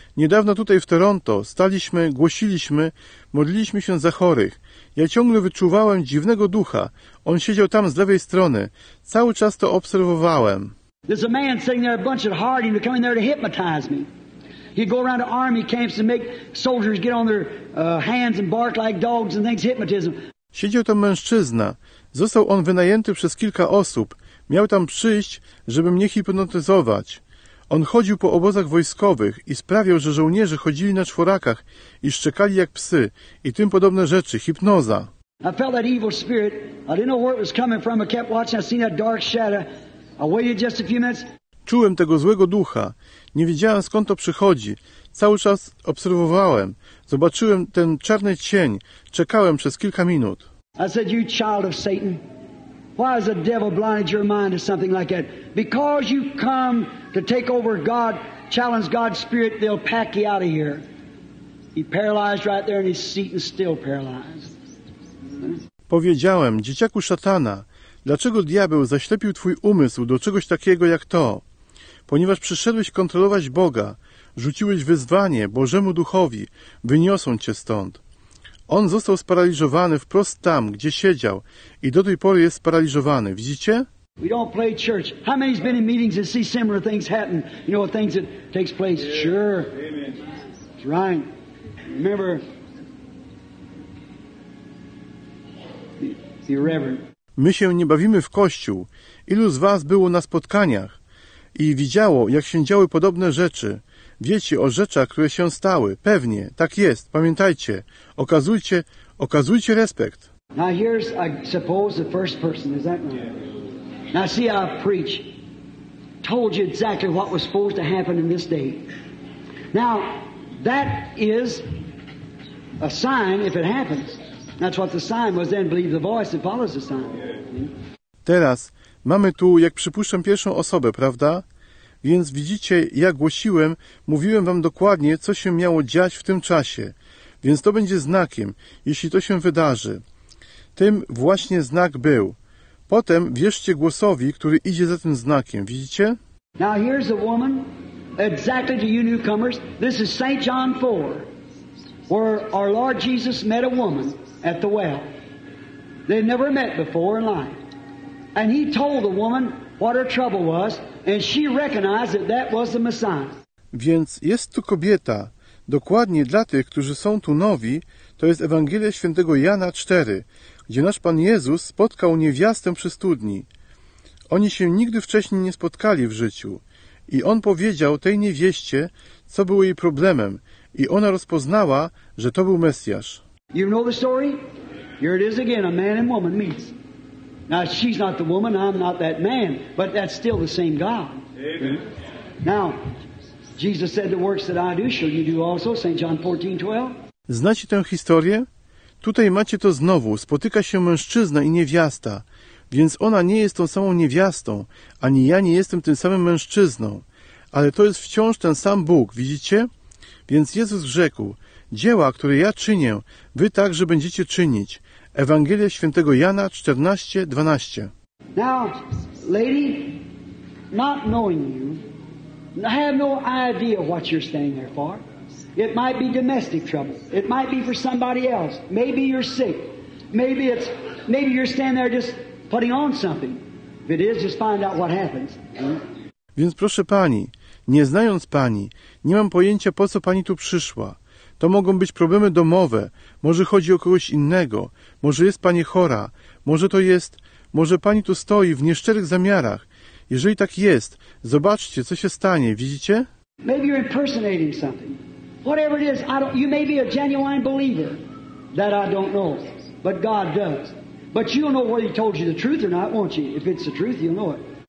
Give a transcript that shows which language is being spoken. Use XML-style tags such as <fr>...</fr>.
<pl>Niedawno tutaj w Toronto staliśmy, głosiliśmy, modliliśmy się za chorych. Ja ciągle wyczuwałem dziwnego ducha. On siedział tam z lewej strony. Cały czas to obserwowałem.</pl> <en>There's a man sitting there, a bunch at Harding, coming there to hypnotize me. He'd go around to army camps and make soldiers get on their hands and bark like dogs and things, hypnotism.</en> <pl>Siedział tam mężczyzna. Został on wynajęty przez kilka osób. Miał tam przyjść, żeby mnie hipnotyzować. On chodził po obozach wojskowych i sprawiał, że żołnierze chodzili na czworakach i szczekali jak psy i tym podobne rzeczy, hipnoza.</pl> <en>I felt that evil spirit. I didn't know where it was coming from. I kept watching. I seen that dark shadow. I waited just a few minutes.</en> <pl>Czułem tego złego ducha. Nie wiedziałem, skąd to przychodzi. Cały czas obserwowałem. Zobaczyłem ten czarny cień. Czekałem przez kilka minut.</pl> <en>I said, you child of Satan. Why has the devil blinded your mind to something like that? Because you come to take over God, challenge God's spirit, they'll pack you out of here. He paralyzed right there in his seat and still paralyzed.</en> <pl>Powiedziałem, dzieciaku szatana, dlaczego diabeł zaślepił twój umysł do czegoś takiego jak to? Ponieważ przyszedłeś kontrolować Boga, rzuciłeś wyzwanie Bożemu Duchowi, wyniosą cię stąd. On został sparaliżowany wprost tam, gdzie siedział i do tej pory jest sparaliżowany. Widzicie?</pl> <en>We don't play church. How many's been in meetings and see similar things happen? You know, things that takes place. Sure. Amen. Right. Remember, be reverent.</en> <pl>My się nie bawimy w kościół. Ilu z was było na spotkaniach i widziało, jak się działy podobne rzeczy? Wiecie o rzeczach, które się stały. Pewnie, tak jest. Pamiętajcie, okazujcie respekt.</pl> <en>Now here's, I suppose, the first person. Is that right? Now see, I preach. Told you exactly what was supposed to happen in this day. Now, that is a sign if it happens. That's what the sign was then, believe the voice that follows the sign.</en> <pl>Teraz mamy tu, jak przypuszczam, pierwszą osobę, prawda? Więc widzicie, ja głosiłem, mówiłem wam dokładnie, co się miało dziać w tym czasie. Więc to będzie znakiem, jeśli to się wydarzy. Tym właśnie znak był. Potem wierzcie głosowi, który idzie za tym znakiem. Widzicie?</pl> <en>Now here's a woman, exactly to you newcomers. This is St. John 4, where our Lord Jesus met a woman at the well. They'd never met before in life. And he told the woman what her trouble was, and she recognized that that was the Messiah.</en> <pl>Więc jest tu kobieta. Dokładnie dla tych, którzy są tu nowi, to jest Ewangelia Świętego Jana 4, gdzie nasz Pan Jezus spotkał niewiastę przy studni. Oni się nigdy wcześniej nie spotkali w życiu. I on powiedział tej niewieście, co było jej problemem, i ona rozpoznała, że to był Mesjasz.</pl> <en>You know the story? Here it is again, a man and woman meets. Now, she's not the woman, I'm not that man, but that's still the same God. Amen. Now, Jesus said, the works that I do, shall you do also, St. John 14:12.</en> <pl>Znacie tę historię? Tutaj macie to znowu, spotyka się mężczyzna i niewiasta, więc ona nie jest tą samą niewiastą, ani ja nie jestem tym samym mężczyzną, ale to jest wciąż ten sam Bóg, widzicie? Więc Jezus rzekł, dzieła, które ja czynię, wy także będziecie czynić. Ewangelia Świętego Jana 14:12.</pl> <en>Now, lady, not knowing you, I have no idea what you're staying there for. It might be domestic trouble. It might be for somebody else. Maybe you're sick. Maybe you're standing there just putting on something. If it is, just find out what happens.</en> <pl>Więc proszę pani, nie znając pani, nie mam pojęcia, po co pani tu przyszła. To mogą być problemy domowe. Może chodzi o kogoś innego. Może jest pani chora. Może pani tu stoi w nieszczerych zamiarach. Jeżeli tak jest, zobaczcie, co się stanie. Widzicie?</pl> <en>Maybe you're impersonating something. Whatever it is, you may be a genuine believer. That I don't know. But God does. But you'll know whether he told you the truth or not, won't you? If it's the truth, you'll know it.</en>